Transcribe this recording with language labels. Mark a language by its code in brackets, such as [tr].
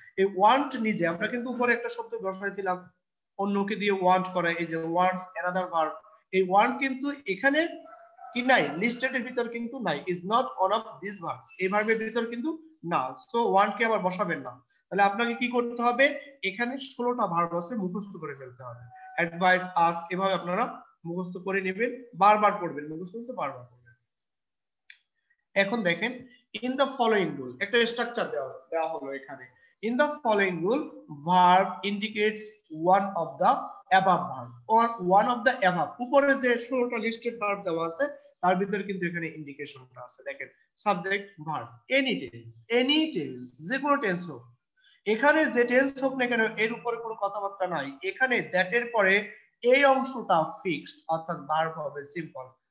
[bn] এই ওয়ান্ট নিজে আমরা কিন্তু উপরে একটা শব্দ বসাইছিলাম অন্যকে দিয়ে ওয়ান্ট করা, এই যে ওয়ান্টস অ্যানাদার ভার্ব, এই ওয়ান্ট কিন্তু এখানে কি নাই লিস্টেড এর ভিতর কিন্তু নাই, [en] is not one of this verb, [bn] এই ভার্বের ভিতর কিন্তু না। সো ওয়ান্ট কে আবার বসাবেন না, তাহলে আপনাকে কি করতে হবে, এখানে 16টা ভার্ব আছে মুখস্থ করে ফেলতে হবে, অ্যাডভাইস, আস্ক, এভাবে আপনারা মুখস্থ করে নেবেন, বারবার পড়বেন, মুখস্থ করতে বারবার পড়বেন। এখন দেখেন [en] in the following rule. [bn] একটা স্ট্রাকচার দেওয়া হলো এখানে. [en] In the following rule, verb indicates one of the above verb or one of the above. [bn] উপরে যে 16টা লিস্টেড verb দেওয়া আছে তার ভিতর কিন্তু এখানে ইন্ডিকেশনটা আছে. দেখেন subject verb any tense যে কোনো টেন্স হোক. এখানে যে টেন্স হোক না কেন এর উপরে কোনো কথাবার্তা নাই. এখানে that এর পরে এই অংশটা fixed অর্থাৎ verb হবে simple.